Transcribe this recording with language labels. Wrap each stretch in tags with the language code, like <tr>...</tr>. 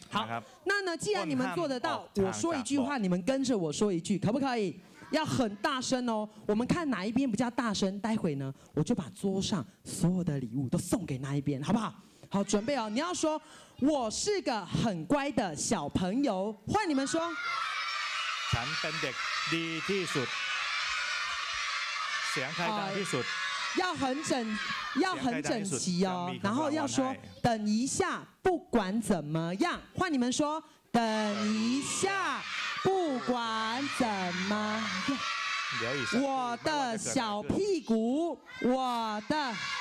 <zh>好，那呢，既然你们做得到，我说一句话，你们跟着我说一句，可不可以？要很大声哦，我们看哪一边比较大声，待会呢我就把桌上所有的礼物都送给那一边，好不好？好，准备哦，你要说我是个很乖的小朋友，换你们说。</zh> <th>ฉันเป็นเด็กดีที่สุด เสียงใครดังที่สุด</th> <zh>要很整要很整齐哦，然后要说等一下不管怎么样，换你们说等一下不管怎么，我的小屁股，我的</zh>